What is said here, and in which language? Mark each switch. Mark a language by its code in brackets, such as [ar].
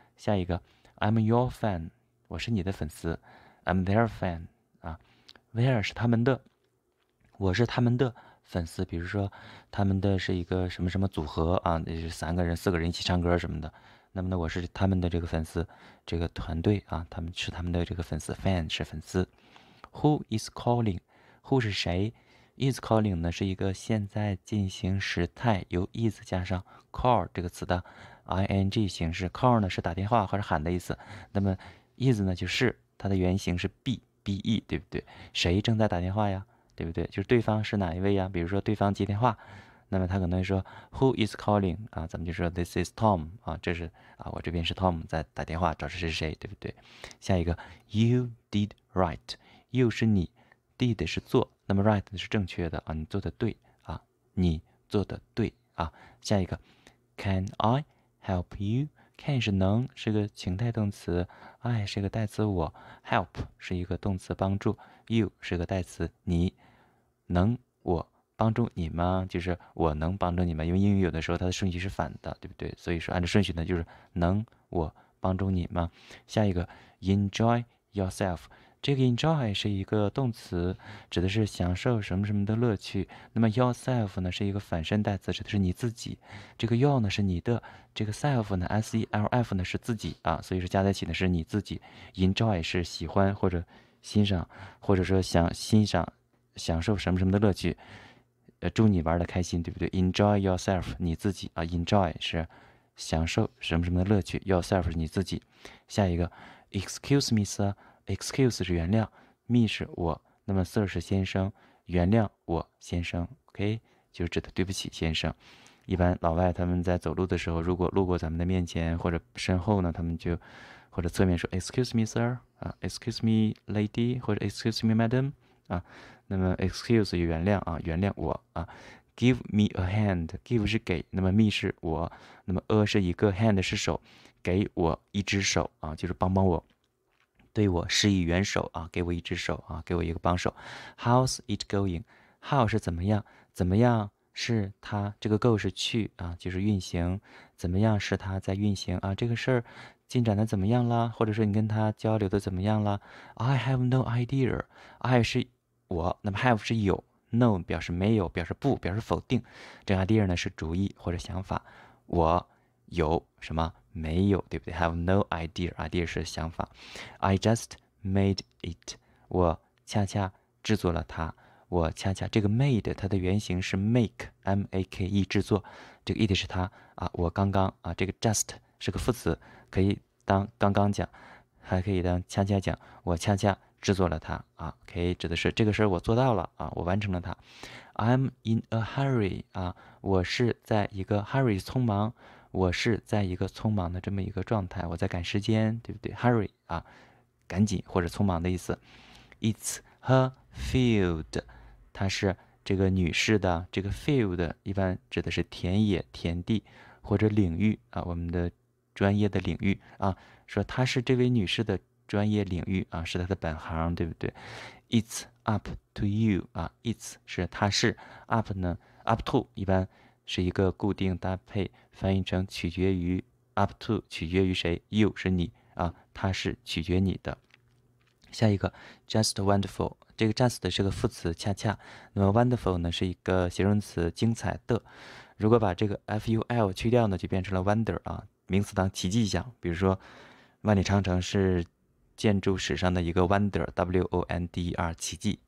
[zh] 下一个， [en] I'm your fan， [zh] 我是你的粉丝， [en] I'm their fan [zh] 啊，their 是他们的，我是他们的粉丝。比如说，他们的是一个什么什么组合啊，那是三个人、四个人一起唱歌什么的，那么呢，我是他们的这个粉丝，这个团队啊，他们是他们的这个粉丝，fan 是粉丝。 [en] Who is calling？ Who [zh] 是谁？ [en] Is calling 呢？ [zh] 是一个现在进行时态，由 is 加上 call 这个词的 ing 形式。 call 呢是打电话或者喊的意思。那么 is 呢就是它的原型是 be，对不对？谁正在打电话呀？对不对？就是对方是哪一位呀？比如说对方接电话，那么他可能说 [en] Who is calling？ [zh] 啊，咱们就说 [en] This is Tom。 [zh] 啊，这是啊，我这边是 Tom 在打电话，找的是谁？对不对？下一个 [en] You did right，you [zh] 是你。 did 是做，那么 right 是正确的啊，你做的对啊，你做的对啊。下一个， [en] Can I help you？ [zh] Can 是能，是个情态动词，I 是个代词我，help 是一个动词帮助，you 是个代词你，能我帮助你吗？就是我能帮助你吗？因为英语有的时候它的顺序是反的，对不对？所以说按照顺序呢，就是能我帮助你吗？下一个， [en] Enjoy yourself。 [zh] 这个 enjoy 是一个动词，指的是享受什么什么的乐趣。那么 yourself 呢，是一个反身代词，指的是你自己。这个 your 呢是你的，这个 self 呢 self 呢是自己啊，所以说加在一起呢是你自己。 enjoy 是喜欢或者欣赏，或者说想欣赏、享受什么什么的乐趣。祝你玩得开心，对不对？ [en] enjoy yourself [zh] 你自己啊，enjoy 是享受什么什么的乐趣，yourself 是你自己。下一个， [en] excuse me, sir。 [zh] Excuse 是原谅，me 是我，那么 sir 是先生，原谅我先生，OK 就是指的对不起先生。一般老外他们在走路的时候，如果路过咱们的面前或者身后呢，他们就或者侧面说 [en] Excuse me, sir [zh] 啊， [en] Excuse me, lady [zh] 或者 [en] Excuse me, madam [zh] 啊，那么 Excuse 就原谅啊，原谅我啊。 [en] Give me a hand， [zh] give 是给，那么 me 是我，那么 a 是一个，hand 是手，给我一只手啊，就是帮帮我。对我施以援手啊，给我一只手啊，给我一个帮手。 [en] How's it going？ [zh] How 是怎么样？怎么样是它这个 go 是去啊，就是运行，怎么样是它在运行啊？这个事儿进展的怎么样啦？或者说你跟他交流的怎么样啦？ [en] I have no idea。 [zh] I 是我，那么 have 是有，no 表示没有，表示不，表示否定。这 idea 呢是主意或者想法。我有什么没有，对不对？ [en] Have no idea， [zh] idea 是想法。 [en] I just made it， [zh] 我恰恰制作了它。我恰恰这个 made 它的原型是 make，M-A-K-E 制作，这个 it 是它啊。我刚刚啊，这个 just 是个副词，可以当刚刚讲，还可以当恰恰讲。我恰恰制作了它啊，可以指的是这个事儿我做到了啊，我完成了它。 [en] I'm in a hurry [zh] 啊，我是在一个 hurry 匆忙，我是在一个匆忙的这么一个状态，我在赶时间，对不对？Hurry 啊，赶紧或者匆忙的意思。 [en] It's her field。 [zh] 她是这个女士的，这个 field 一般指的是田野、田地或者领域啊，我们的专业的领域啊。说她是这位女士的专业领域啊，是她的本行，对不对？ [en] It's up to you [zh] 啊，it's 是她是 up 呢，up to 一般是一个固定搭配，翻译成取决于 up to 取决于谁，you 是你啊，她是取决你的。下一个， [en] just wonderful。 [zh] 这个 just 是个副词，恰恰。那么 wonderful 呢，是一个形容词，精彩的。如果把这个 ful 去掉呢，就变成了 wonder 啊，名词当奇迹讲。比如说，万里长城是建筑史上的一个 wonder，W-O-N-D-E-R 奇迹。